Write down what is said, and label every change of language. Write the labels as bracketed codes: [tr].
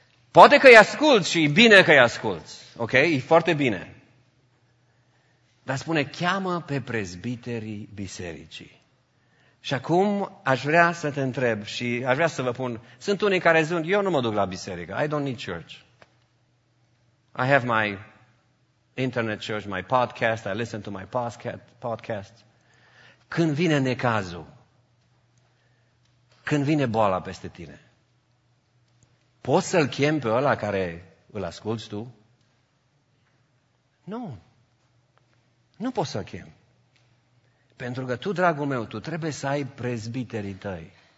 [ro] Poate că-i asculți și e bine că-i asculți, ok? E foarte bine. Dar spune, cheamă pe prezbiterii bisericii. Și acum aș vrea să te întreb și aș vrea să vă pun, sunt unii care zic, eu nu mă duc la biserică, [en] I don't need church. I have my internet church, my podcast, I listen to my podcast. [ro] Când vine necazul, când vine boala peste tine, poți să-l chem pe ăla care îl asculți tu? Nu. Nu poți să-l chem. Pentru că tu, dragul meu, tu trebuie să ai prezbiterii tăi.